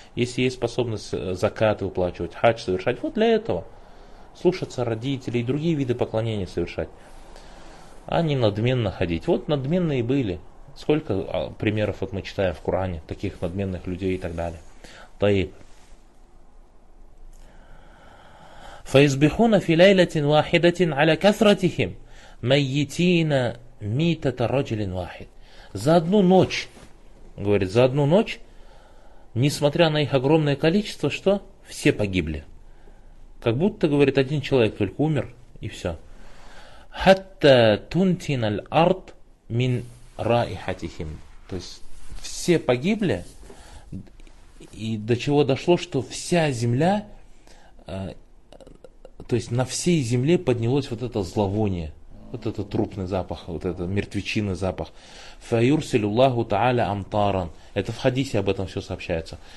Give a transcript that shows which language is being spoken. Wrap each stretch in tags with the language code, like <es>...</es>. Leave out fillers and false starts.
<ru>Если есть способность закаты выплачивать, хадж совершать. Вот для этого. Слушаться родителей, другие виды поклонения совершать. А не надменно ходить. Вот надменные были. Сколько примеров вот мы читаем в Коране, таких надменных людей и так далее.</ru> <ar>Таиб.</ar> <ru>فيصبحون في ليلة واحدة على كثرتهم ميتين ميتة رجل واحد.</ru> <ar>За одну ночь, говорит, за одну ночь, несмотря на их огромное количество, что все погибли. Как будто, говорит, один человек только умер и все. حتى تنتن الأرض من رائحتهم.</ar> <ru>То есть все погибли, и до чего дошло, что вся земля, то есть на всей земле поднялось вот это зловоние, вот этот трупный запах, вот этот мертвечинный запах.</ru> <ar>Фаюрсилю Аллаху Тааля амтаран.</ar> <ru>Это в хадисе об этом все сообщается.</ru>